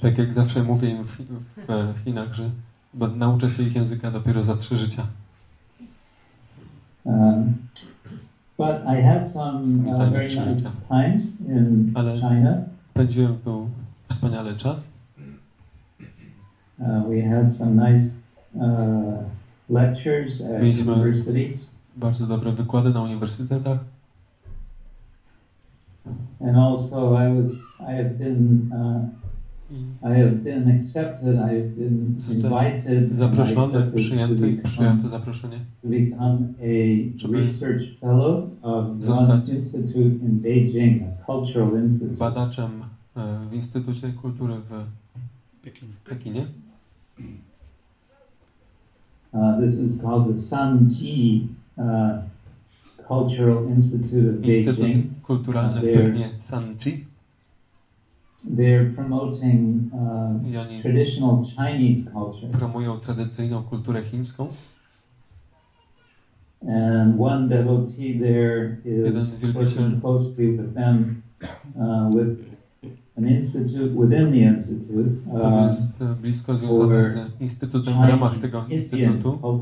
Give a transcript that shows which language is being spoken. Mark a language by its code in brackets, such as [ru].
[pl] Tak jak zawsze mówię im w Chinach, że nauczę się ich języka dopiero za 3 życia. [en] But I had some very nice times in China. [pl] Spędziłem tu wspaniały czas. [en] We had some nice lectures at universities. [pl] Bardzo dobre wykłady na uniwersytetach. [en] And also I have been I have been accepted, I have been invited, [pl] zaproszony, przyjęty, przyjęte zaproszenie. [en] To become a research fellow of the Institute in Beijing, a cultural institute. [pl] Badaczem w Instytucie Kultury w Pekinie. [en] This is called the Sanji Cultural Institute of Beijing. [pl] Instytut kulturalny w Pekinie, Sanji. [en] They're promoting traditional Chinese culture. [pl] Promują tradycyjną kulturę chińską. [en] And one devotee there is working closely with them, with an institute within the institute. [pl] Jest blisko związany z instytutem w ramach tego instytutu.